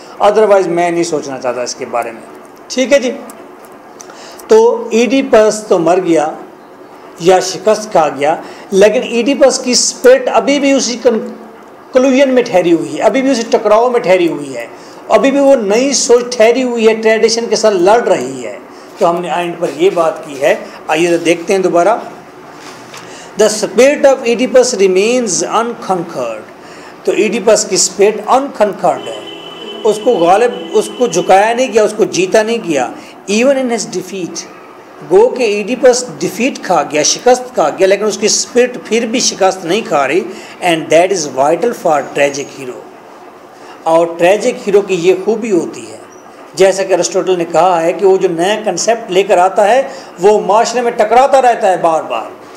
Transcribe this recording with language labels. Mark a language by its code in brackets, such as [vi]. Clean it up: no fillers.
[ur] Otherwise میں نہیں سوچنا چاہتا اس کے بارے میں. ٹھیک ہے جی. تو ایڈیپس تو مر گیا یا شکست کھا گیا, لیکن ایڈیپس کی اسپرٹ ابھی بھی اسی کلوژن میں ٹھہری ہوئی ہے, ابھی بھی اسی ٹکراؤ میں ٹھہری ہوئی ہے, ابھی بھی وہ نئی سوچ ٹھہری ہوئی ہے ٹریڈیشن کے ساتھ لڑ رہی ہے. تو ہم نے آئینڈ پر یہ بات کی ہے, آئیے دیکھتے ہیں دوبارہ. [en] The spirit of Oedipus remains unconquered. [ur] تو ایڈیپس کی اسپرٹ انکنکرڈ ہے, اس کو غالب, اس کو جھکایا نہیں گیا, اس کو جیتا نہیں گیا. [en] even in his defeat, [ur] گو کہ ایڈیپس ڈیفیٹ کھا گیا, شکست کھا گیا, لیکن اس کی اسپرٹ پھر بھی شکست نہیں کھا رہی. [en] And that is vital for tragic hero. [ur] اور ٹریجک ہیرو کی یہ خوبی ہوتی ہے, جیسا کہ ارسٹوٹل نے کہا ہے کہ وہ جو نیا کنسیپٹ لے کر آتا ہے وہ معاشرے میں ٹکراتا رہتا ہے بار بار.